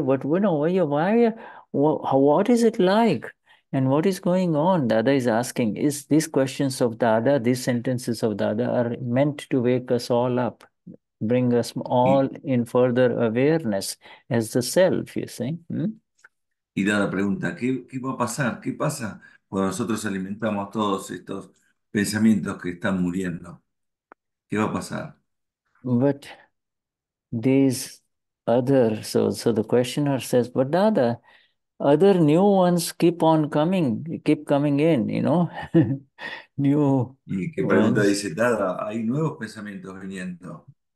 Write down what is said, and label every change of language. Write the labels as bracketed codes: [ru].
[en] But, you know, what is it like? And what is going on? Dada is asking, is these questions of Dada, these sentences of Dada are meant to wake us all up, bring us all in further awareness as the self, you see? [es] Y Dada pregunta, ¿qué va a pasar? ¿Qué pasa cuando nosotros alimentamos todos estos pensamientos que están muriendo? ¿Qué va a pasar? [en] But these other, so the questioner says, but Dada, other new ones keep coming in, you know, new. [es] ¿Y qué pregunta ones. Dice Dada? Hay nuevos pensamientos viniendo.